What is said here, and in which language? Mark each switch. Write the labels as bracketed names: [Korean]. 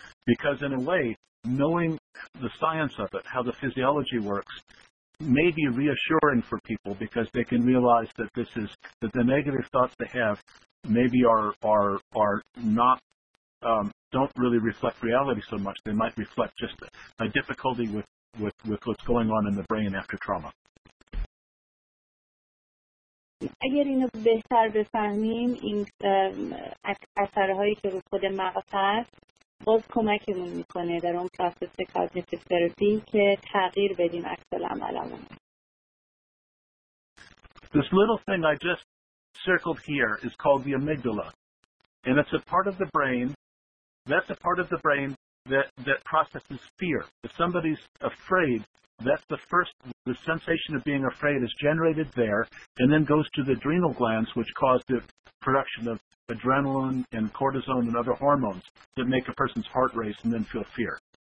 [English] Because in a way, knowing the science of it, how the physiology works, may be reassuring for people because they can realize that this is that the negative thoughts they have maybe are not don't really reflect reality so much. They might reflect just a difficulty with what's going on in the brain after trauma. [Persian] اگر اینو بهتر بفهمیم، این اثرهایی که رو خود مغز هست باز کمکمون میکنه در اون پروسس کاگنیتیو تراپی که تغییر بدیم عکس‌العمل‌مون. [English] This little thing I just circled here is called the amygdala, and it's a part of the brain that's a part of the brain that processes fear. If somebody's afraid, that's the sensation of being afraid is generated there and then goes to the adrenal glands, which cause the production of adrenaline and cortisone and other hormones that make a person's heart race and then feel fear.